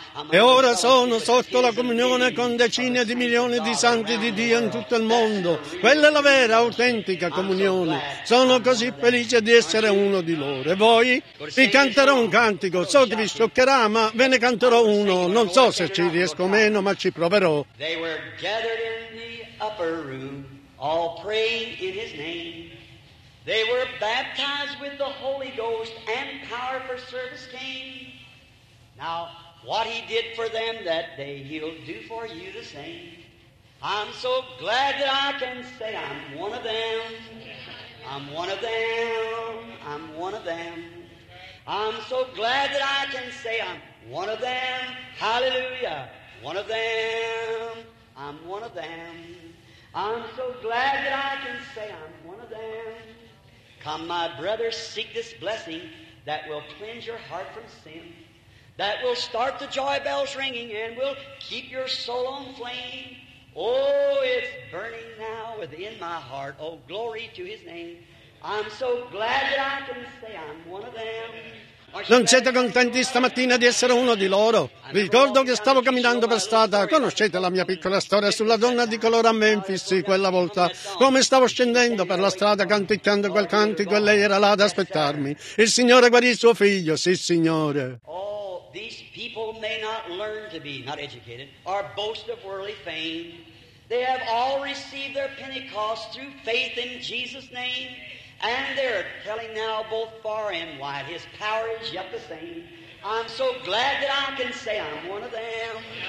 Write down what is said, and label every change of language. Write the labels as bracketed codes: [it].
[it] E ora sono sotto la comunione con decine di milioni di santi di Dio in tutto il mondo. Quella è la vera, autentica comunione. Sono così felice di essere uno di loro. E voi? Vi canterò un cantico. So che vi scioccherà, ma ve ne canterò uno. Non so se ci riesco o meno, ma ci proverò. [en] They were gathered in the upper room, all praying in his name. They were baptized with the Holy Ghost, and power for service came. Now, what he did for them that day, he'll do for you the same. I'm so glad that I can say I'm one of them. I'm one of them. I'm one of them. I'm so glad that I can say I'm one of them. Hallelujah. One of them. I'm one of them. I'm so glad that I can say I'm one of them. Come, my brother, seek this blessing that will cleanse your heart from sin, that will start the joy bells ringing and will keep your soul on flame. Oh, it's burning now within my heart. Oh, glory to his name. I'm so glad that I can say I'm one of them. [it] Non siete contenti stamattina di essere uno di loro? Ricordo che stavo camminando per strada. Conoscete la mia piccola storia sulla donna di colore a Memphis quella volta? Come stavo scendendo per la strada canticchiando quel cantico e lei era là ad aspettarmi. Il Signore guarì il suo figlio, sì Signore. [en] Oh, these people may not learn to be not educated or boast of worldly fame. They have all received their Pentecost through faith in Jesus' name. And they're telling now both far and wide, his power is yet the same. I'm so glad that I can say I'm one of them.